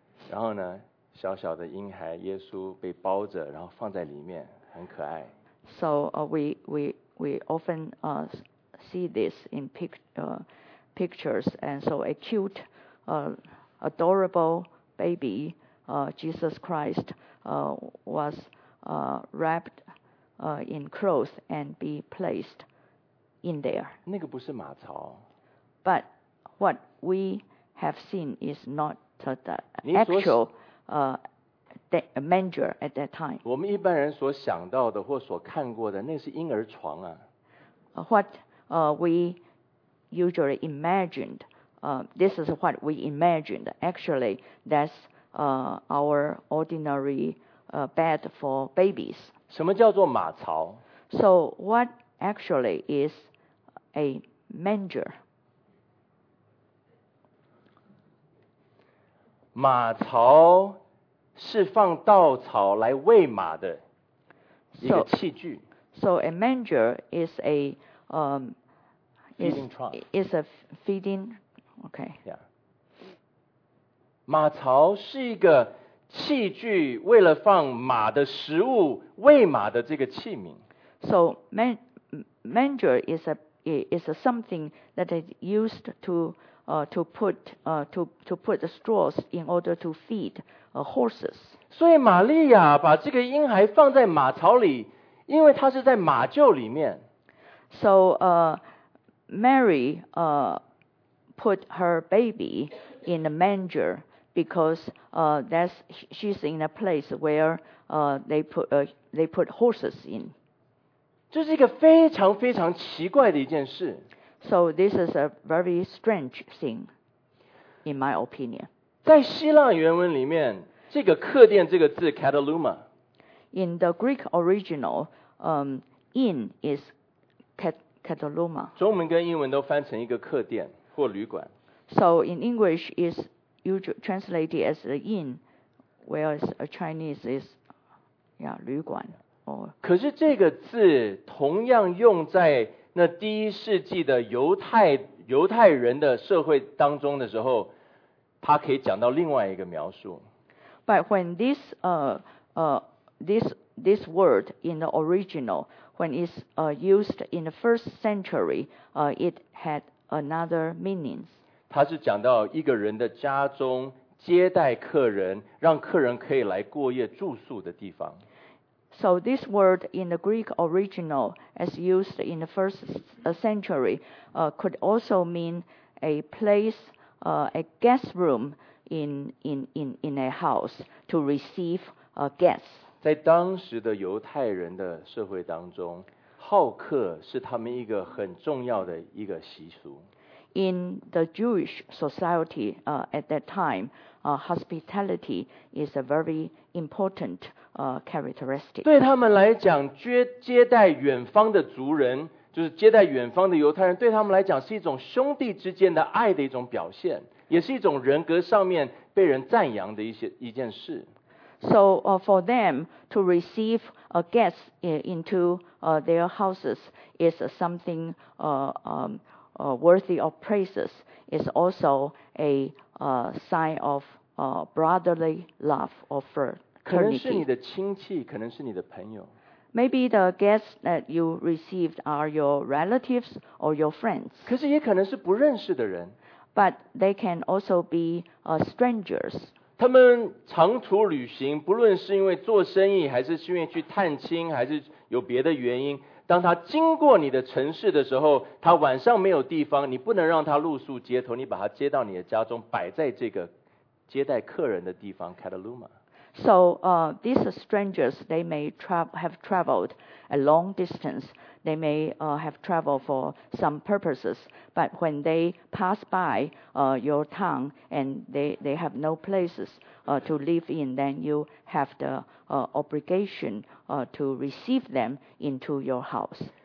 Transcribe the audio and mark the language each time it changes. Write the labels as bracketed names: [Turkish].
[Chinese] 然后呢，小小的婴孩耶稣被包着，然后放在里面，很可爱。 [English] So we often see this in pictures, and so a cute, adorable baby, Jesus Christ, was wrapped in clothes and be placed in there. [Chinese] 那个不是马槽。 [English] But what we have seen is not the actual. The manger at that time. [Chinese] 我们一般人所想到的或所看过的，那是婴儿床啊。 [English] What we usually imagined, this is what we imagined. Actually, that's our ordinary bed for babies. [Chinese] 什么叫做马槽？ [English] So what actually is a manger? [Chinese] 马槽是放稻草来喂马的一个器具。 [English] So a manger is a feeding trough. Is a feeding, okay. Yeah. [Chinese] 马槽是一个器具，为了放马的食物、喂马的这个器皿。 [English] So manger is a something that is used to put the straws in order to feed horses. [Chinese] 所以玛利亚把这个婴孩放在马槽里，因为他是在马厩里面。 [English] So Mary put her baby in the manger because she's in a place where they put horses in. [Chinese] 这是一个非常非常奇怪的一件事。 [English] So this is a very strange thing, in my opinion. [Chinese] 在希腊原文里面，这个客店这个字 kataluma. [English] In the Greek original, inn is kataluma. [Chinese] 中文跟英文都翻成一个客店或旅馆。 [English] So in English is usually translated as the inn, whereas a Chinese is, yeah, 旅馆 or. [Chinese] 可是这个字同样用在那第一世纪的犹太人的社会当中的时候，他可以讲到另外一个描述。 [English] But when this word in the original, when it's used in the first century, it had another meaning. [Chinese] 他是讲到一个人的家中接待客人，让客人可以来过夜住宿的地方。 [English] So this word in the Greek original, as used in the first century, could also mean a place, a guest room in a house to receive guests. [Chinese] 在当时的犹太人的社会当中，好客是他们一个很重要的一个习俗。 [English] in the Jewish society at that time, hospitality is a very important characteristic. [Chinese] 对他们来讲，接待远方的族人，就是接待远方的犹太人，对他们来讲是一种兄弟之间的爱的一种表现，也是一种人格上面被人赞扬的一件事。 [English] So for them to receive a guest into their houses is something worthy of praises. It's also a sign of brotherly love or fraternity. [Chinese] 可能是你的亲戚，可能是你的朋友。 [English] Maybe the guests that you received are your relatives or your friends. [Chinese] 可是也可能是不认识的人。 [English] But they can also be strangers. [Chinese] 他们长途旅行，不论是因为做生意，还是因为去探亲，还是有别的原因，当他经过你的城市的时候，他晚上没有地方，你不能让他露宿街头，你把他接到你的家中，摆在这个接待客人的地方 Cataluma. [English] So, these strangers, they may have traveled a long distance. They may have traveled for some purposes. But when they pass by your town and they have no places to live in, then you have the obligation to receive them into your house.